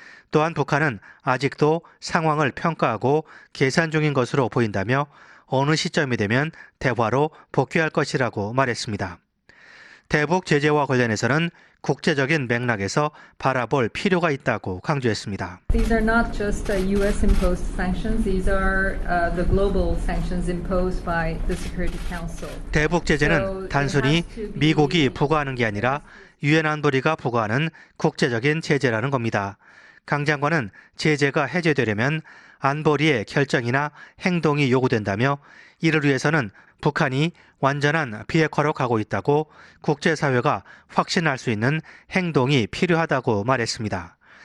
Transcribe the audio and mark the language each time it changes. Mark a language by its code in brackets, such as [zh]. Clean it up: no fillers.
[ko] 또한 북한은 아직도 상황을 평가하고 계산 중인 것으로 보인다며 어느 시점이 되면 대화로 복귀할 것이라고 말했습니다. 대북 제재와 관련해서는 국제적인 맥락에서 바라볼 필요가 있다고 강조했습니다. [en] These are not just US-imposed sanctions. These are the global sanctions imposed by the Security Council. [ko] 대북 제재는 단순히 미국이 부과하는 게 아니라 유엔 안보리가 부과하는 국제적인 제재라는 겁니다. 강 장관은 제재가 해제되려면 안보리의 결정이나 행동이 요구된다며 이를 위해서는 북한이 완전한 비핵화로 가고 있다고 국제사회가 확신할 수 있는 행동이 필요하다고 말했습니다.